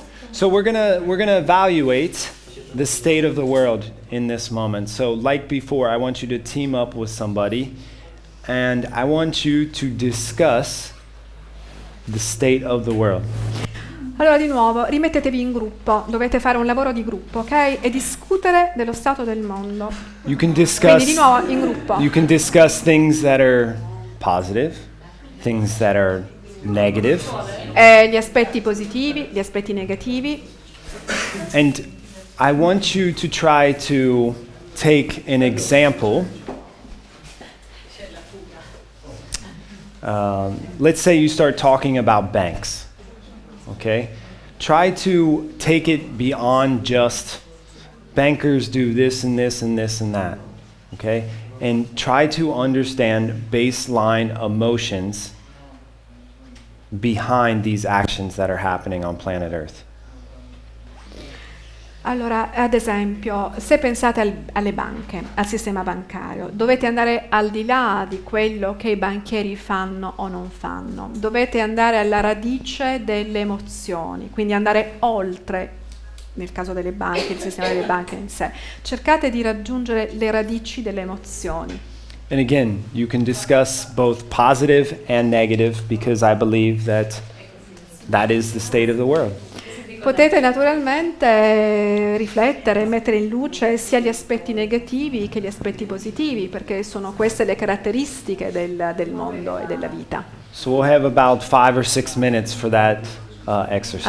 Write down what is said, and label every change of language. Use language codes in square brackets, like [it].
[en] So we're gonna evaluate the state of the world in this moment. So like before, I want you to team up with somebody, and I want you to discuss the state of the world. [it] Allora di nuovo, rimettetevi in gruppo, dovete fare un lavoro di gruppo, ok? E discutere dello stato del mondo. [en] You can discuss, [it] quindi di nuovo in gruppo. [en] You can discuss things that are positive, things that are negative. [it] Gli aspetti positivi, gli aspetti negativi. [en] And I want you to try to take an example. Let's say you start talking about banks. Okay, try to take it beyond just bankers do this and this and this and that. Okay, and try to understand baseline emotions behind these actions that are happening on planet Earth. [it] Allora, ad esempio, se pensate alle banche, al sistema bancario, dovete andare al di là di quello che i banchieri fanno o non fanno. Dovete andare alla radice delle emozioni, quindi andare oltre, nel caso delle banche, il sistema delle banche in sé. Cercate di raggiungere le radici delle emozioni. [en] And again, you can discuss both positive and negative because I believe that that is the state of the world. [it] Potete naturalmente riflettere e mettere in luce sia gli aspetti negativi che gli aspetti positivi, perché sono queste le caratteristiche del mondo e della vita. [en] So we'll have about 5 or 6 minutes for that exercise.